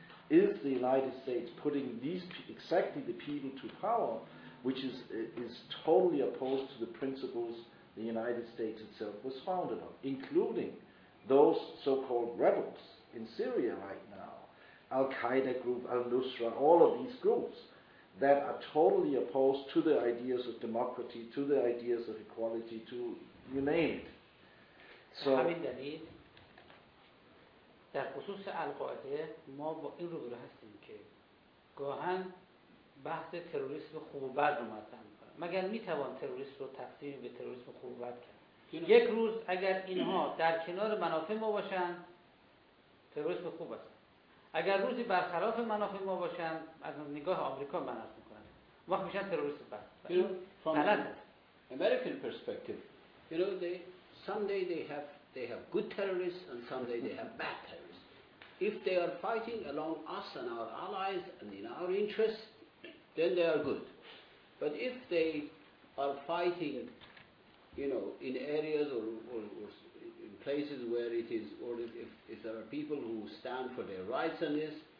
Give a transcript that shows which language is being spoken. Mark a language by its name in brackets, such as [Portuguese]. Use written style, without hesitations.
[English] is the United States putting these exactly the people to power, which is totally opposed to the principles the United States itself was founded on, including those so-called rebels in Syria right now, Al-Qaeda group, Al-Nusra, all of these groups that are totally opposed to the ideas of democracy, to the ideas of equality, to you name it. [Persian] So همین دلیل در خصوص القاعده ما با این روبرو هستیم که گاهن بحث تروریسم خوب و بد رو مطرح می‌کنه. مگر میتوان تروریسم رو تقسیم به تروریسم خوب و بد کرد؟ یک روز اگر اینها در کنار منافع ما باشند تروریسم خوب است، اگر روزی برخلاف منافع ما باشند از نگاه آمریکا منافع میکنند، وقت میشن تروریست بد. غلط است. [English] American perspective, you know, someday they have good terrorists and someday they have bad terrorists. If they are fighting along us and our allies and in our interests, then they are good. But if they are fighting, you know, in areas or in places where it is, or if there are people who stand for their rights and this,